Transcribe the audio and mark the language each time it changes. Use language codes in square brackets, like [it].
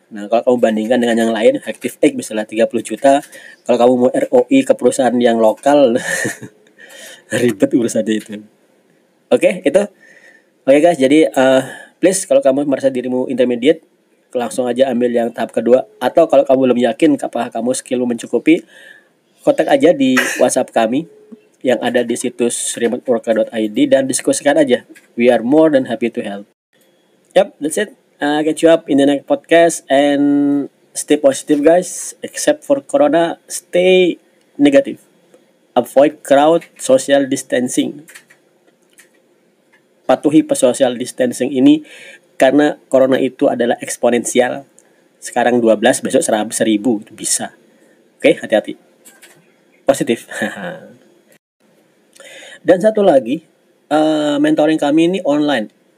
[id] Nah, kalau kamu bandingkan dengan yang lain, Active Egg misalnya 30 juta, kalau kamu mau ROI ke perusahaan yang lokal, ribet urusannya itu. Oke, itu. Oke guys, jadi please kalau kamu merasa dirimu intermediate, langsung aja ambil yang tahap kedua. Atau kalau kamu belum yakin apakah kamu skillmu mencukupi, kontak aja di WhatsApp kami yang ada di situs remoteworker.id dan diskusikan aja. [en] We are more than happy to help. Yep, that's it. Catch you up in the next podcast and stay positive guys. Except for corona, stay negative. Avoid crowd social distancing. [id] Patuhi social distancing ini karena corona itu adalah eksponensial. Sekarang 12, besok 1000, itu bisa. Oke, hati-hati. Positif. Dan satu lagi, mentoring kami ini online.